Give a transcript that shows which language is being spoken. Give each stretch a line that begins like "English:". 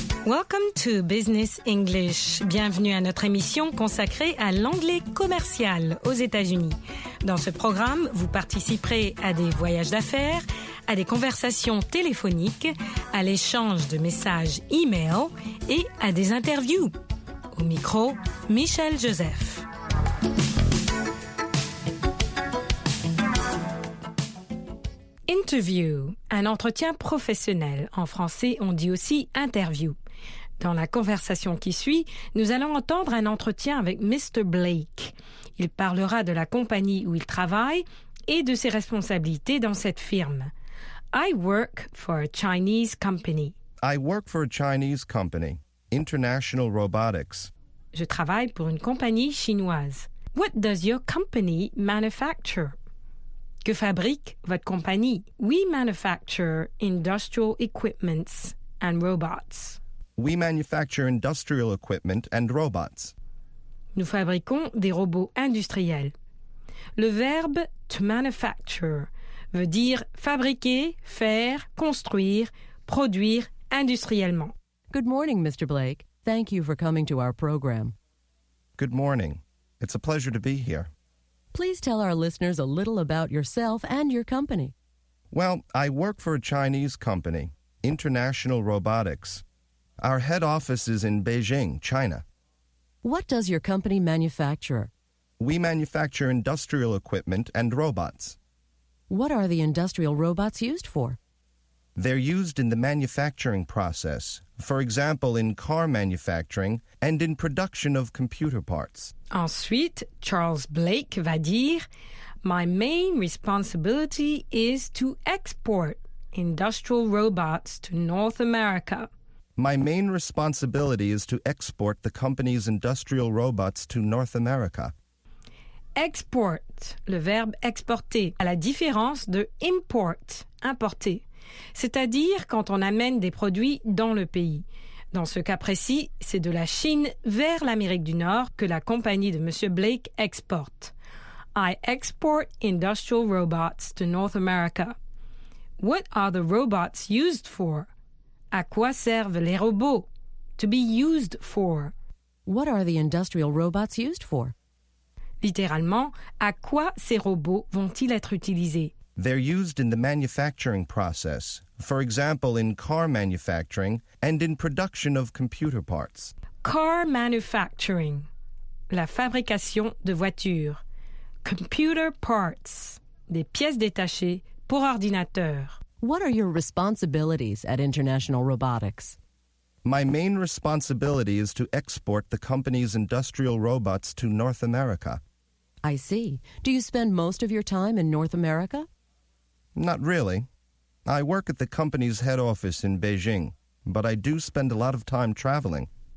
English: Welcome to Business English.
French: Bienvenue à notre émission consacrée à l'anglais commercial aux États-Unis. Dans ce programme, vous participerez à des voyages d'affaires, à des conversations téléphoniques, à l'échange de messages e-mail et à des interviews. Au micro, Michel Joseph. Interview, un entretien professionnel. En français, on dit aussi interview. Dans la conversation qui suit, nous allons entendre un entretien avec Mr. Blake. Il parlera de la compagnie où il travaille et de ses responsabilités dans cette firme.
English: I work for a Chinese company. I work for a Chinese company, International Robotics.
French: Je travaille pour une compagnie chinoise.
English: What does your company manufacture?
French: Que fabrique votre compagnie?
English: We manufacture industrial equipments and robots. We manufacture industrial equipment and robots.
French: Nous fabriquons des robots industriels. Le verbe to manufacture veut dire fabriquer, faire, construire, produire industriellement.
English: Good morning, Mr. Blake. Thank you for coming to our program. Good morning. It's a pleasure to be here. Please tell our listeners a little about yourself and your company. Well, I work for a Chinese company, International Robotics. Our head office is in Beijing, China. What does your company manufacture? We manufacture industrial equipment and robots. What are the industrial robots used for? They're used in the manufacturing process, for example, in car manufacturing and in production of computer parts.
French: Ensuite, Charles Blake va dire,
English: My main responsibility is to export industrial robots to North America. My main responsibility is to export the company's industrial robots to North America.
French: Export, le verbe exporter, à la différence de import, importer, c'est-à-dire quand on amène des produits dans le pays. Dans ce cas précis, c'est de la Chine vers l'Amérique du Nord que la compagnie de M.
English: Blake
French: exporte.
English: I export industrial robots to North America. What are the robots used for?
French: À quoi servent les robots?
English: To be used for. What are the industrial robots used for?
French: Littéralement, à quoi ces robots vont-ils être utilisés?
English: They're used in the manufacturing process. For example, in car manufacturing and in production of computer parts. Car manufacturing.
French: La fabrication de voitures.
English: Computer parts.
French: Des pièces détachées pour ordinateur.
English: What are your responsibilities at International Robotics? My main responsibility is to export the company's industrial robots to North America. I see. Do you spend most of your time in North America? Not really. I work at the company's head office in Beijing, but I do spend a lot of time traveling.